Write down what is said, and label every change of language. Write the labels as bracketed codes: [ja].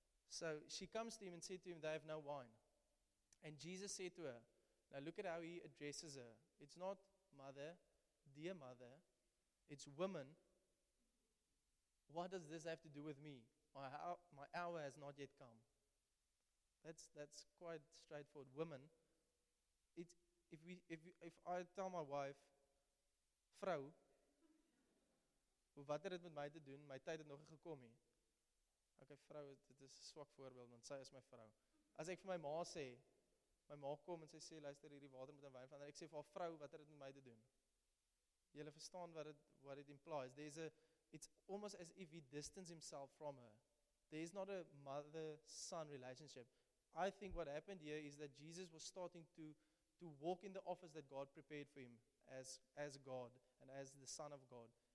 [en] So she comes to him and said to him, they have no wine. And Jesus said to her, Now look at how he addresses her. It's not mother, dear mother. It's woman. What does this have to do with me? My hour has not yet come. That's quite straightforward. Woman. If I tell my wife, [af] vrou, wat het dit met my te doen? My tyd het nog gekom nie. Okay, vrou, dit is 'n swak voorbeeld, want sy is my vrou. As ek vir my ma sê, my ma kom en sy sê, luister, hierdie water moet in wyn verander. Ek sê vir haar, vrou, wat het dit met my te doen? Julle verstaan wat [en] it implies. It's almost as if he distanced himself from her. There is not a mother-son relationship. I think what happened here is that Jesus was starting to walk in the office that God prepared for him as God and as the Son of God.